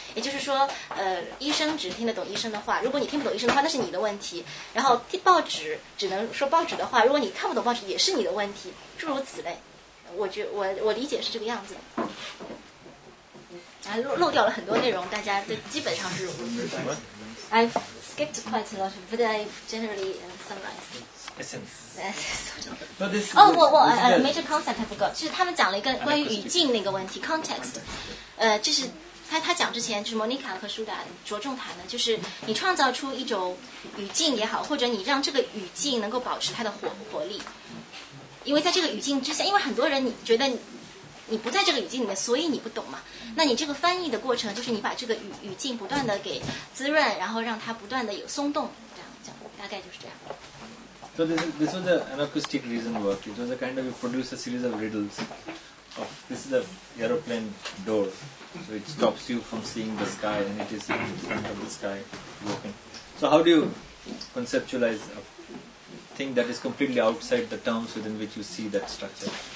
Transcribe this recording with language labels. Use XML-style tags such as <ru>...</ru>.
<zh>也就是说，医生只听得懂医生的话，如果你听不懂医生的话，那是你的问题，然后报纸只能说报纸的话，如果你看不懂报纸也是你的问题，诸如此类。我理解是这个样子，漏掉了很多内容，大家都基本上是如此。</zh> <en>I've skipped quite a lot, but I generally summarized Essence. But this, a major concept I forgot.</en> <zh>就是他们讲了一个关于语境那个问题</zh> <en>，context.</en> <zh>这是他讲之前，就是 Monica 和舒达着重谈的，就是你创造出一种语境也好，或者你让这个语境能够保持它的活力。因为在这个语境之下，因为很多人你觉得你不在这个语境里面，所以你不懂嘛。那你这个翻译的过程，就是你把这个语境不断的给滋润，然后让它不断的有松动，这样大概就是这样。</zh> <en>So this was an acoustic reason work. It was a kind of, you produce a series of riddles. Of, this is an aeroplane door, so it stops you from seeing the sky, and it is in front of the sky. So how do you conceptualize a thing that is completely outside the terms within which you see that structure?</en>